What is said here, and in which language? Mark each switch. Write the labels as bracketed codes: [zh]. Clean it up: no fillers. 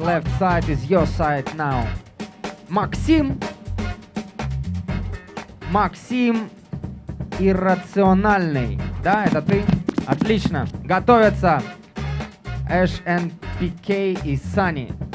[en] Left side is your side now. [ru] Максим. Максим Иррациональный. Да, это ты? Отлично. Готовятся Ash and PK и Sunny.